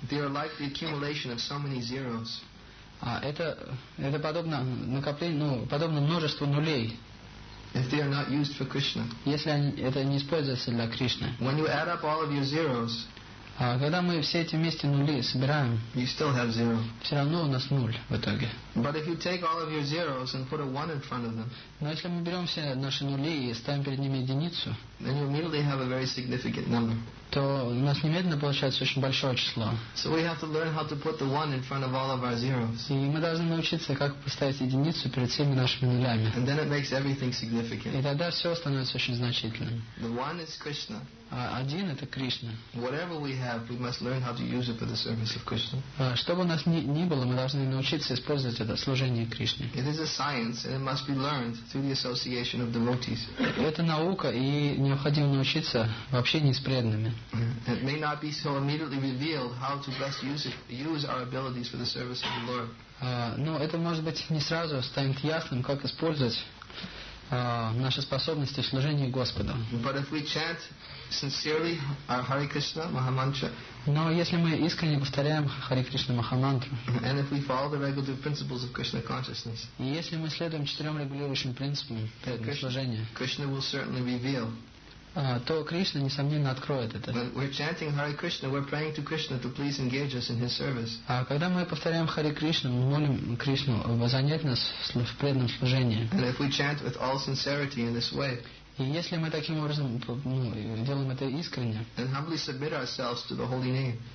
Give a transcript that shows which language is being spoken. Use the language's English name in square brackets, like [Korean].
[English] They are like the accumulation of so many zeros. [Russian] Это подобно накоплению, подобно множеству нулей. [English] If they are not used for Krishna. [Russian] Если это не используется для Кришны. [English] When you add up all of your zeros. [Russian] Когда мы все эти вместе нули собираем, [English] you still have zero. [Russian] Все равно у нас ноль в итоге. [English] But if you take all of your zeros and put a one in front of them. [Russian] Но если мы берем все наши нули и ставим перед ними единицу, [English] then you immediately have a very significant number. [Russian] То у нас немедленно получается очень большое число. [English] So we have to learn how to put the one in front of all of our zeros. [Russian] И мы должны научиться, как поставить единицу перед всеми нашими нулями. [English] And then it makes everything significant. [Russian] И тогда все становится очень значительным. [English] The one is Krishna. [Russian] Один это Кришна. [English] Whatever we have, we must learn how to use it for the service of Krishna. [Russian] Что бы у нас ни было, мы должны научиться использовать это служение Кришне. [English] It is a science and it must be learned through the association of devotees. [Russian] Это наука и необходимо научиться в общении с преданными. [English] It may not be so immediately revealed how to best use our abilities for the service of the Lord. [Russian] Но это может быть не сразу станет ясным, как использовать наши способности в служении Господу. [English] But if we chant sincerely our Hare Krishna Mahamantra. [Russian] Но если мы искренне повторяем Хари Кришна Махамантру. [English] And if we follow the regulative principles of Krishna consciousness. [Russian] И если мы следуем четырем регулирующим принципам служения. [English] Krishna will certainly reveal. [Russian] То Кришна несомненно откроет это. [English] When we're chanting Hare Krishna, we're praying to Krishna to please engage us in His service. [Russian] А когда мы повторяем Хари Кришну, мы молим Кришну занять нас в преданном служении. [English] And if we chant with all sincerity in this way. [Russian] И если мы таким образом делаем это искренне. [English] And humbly submit ourselves to the holy name.